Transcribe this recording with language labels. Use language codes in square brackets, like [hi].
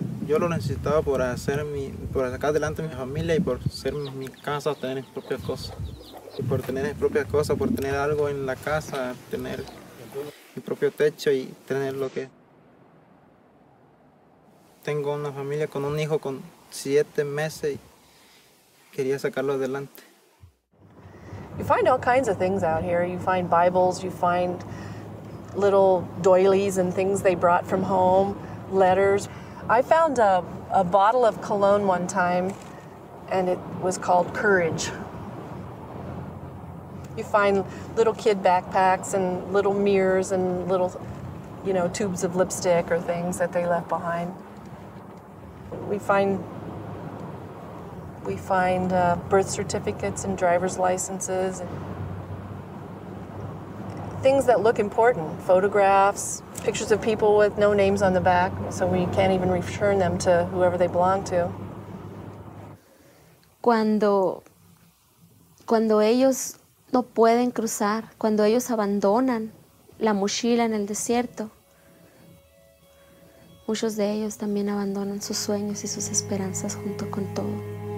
[es] yo lo necesitaba para hacer mi, para sacar adelante mi familia y por ser mi casa, tener mis propias cosas. Y por tener mis propias cosas, por tener algo en la casa, tener mi propio techo y tener lo que... Tengo una familia con un hijo con 7 meses y quería sacarlo adelante. [en] You find all kinds of things out here. You find Bibles, you find little doilies and things they brought from home, letters. I found a bottle of cologne one time, and it was called Courage. You find little kid backpacks and little mirrors and little, you know, tubes of lipstick or things that they left behind. We find birth certificates and driver's licenses, and things that look important, photographs, pictures of people with no names on the back, so we can't even return them to whoever they belong to. [es] Cuando ellos no pueden cruzar, cuando ellos abandonan la mochila en el desierto, muchos de ellos también abandonan sus sueños y sus esperanzas junto con todo.